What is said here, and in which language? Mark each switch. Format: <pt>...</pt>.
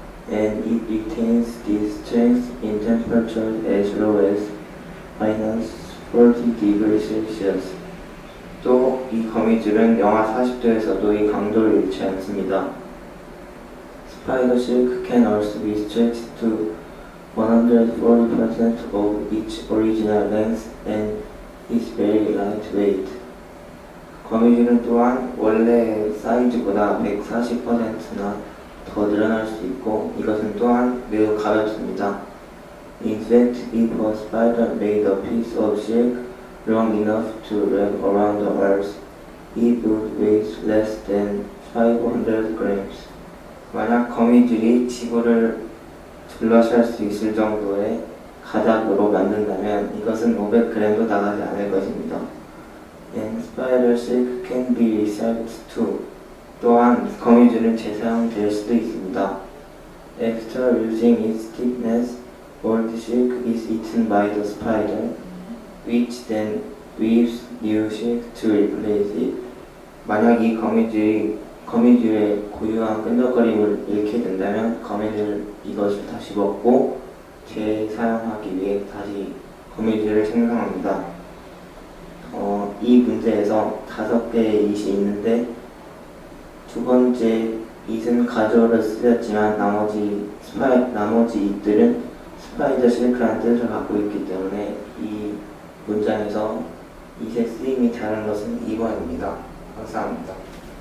<en>And it retains this strength in temperatures as low as minus 40 degrees Celsius.</en> <ko>또 이 거미줄은 영하 40도에서도 이 강도를 잃지 않습니다.</ko> <en>Spider silk can also be stretched to 140% of its original length and is very lightweight.</en> <ko>거미줄은 또한 원래 사이즈보다 140%나 더 늘어날 수 있고 이것은 또한 매우 가볍습니다.</ko> <en>In fact, if a spider made a piece of silk long enough to wrap around the earth, it would weigh less than 500 grams.</en> <ko>만약 거미줄이 지구를 둘러쌀 수 있을 정도의 가닥으로 만든다면 이것은 500g도 나가지 않을 것입니다.</ko> <en>And spider silk can be recycled too.</en> <ko>또한 거미줄은 재사용될 수도 있습니다.</ko> <en>After losing its thickness, all the silk is eaten by the spider, which then weaves new silk to replace it.</en> <ko>만약 이 거미줄의 고유한 끈적거림을 잃게 된다면 거미줄은 이것을 다시 먹고 재사용하기 위해 다시 거미줄을 생성합니다. 이 문제에서 다섯 개의 it이 있는데 두 번째 it은 가주어를 쓰였지만 나머지 it들은 스파이더 실크라는 뜻을 갖고 있기 때문에 이 문장에서 it의 쓰임이 다른 것은 2번입니다. 감사합니다.</ko>